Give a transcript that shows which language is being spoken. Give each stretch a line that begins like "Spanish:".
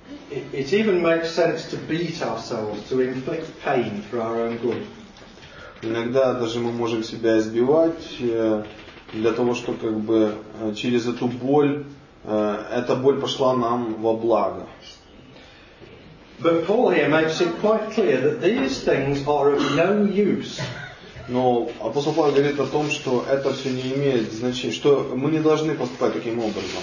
English: It even makes sense to beat ourselves, to inflict pain for our own good.
Russian: Иногда даже мы можем себя избивать для того, чтобы как бы через эту боль, эта боль пошла нам во благо.
English: But Paul here makes it quite clear that these things are of no use.
Russian: Но апостол Павел говорит о том, что это все не имеет значения, что мы не должны поступать таким образом.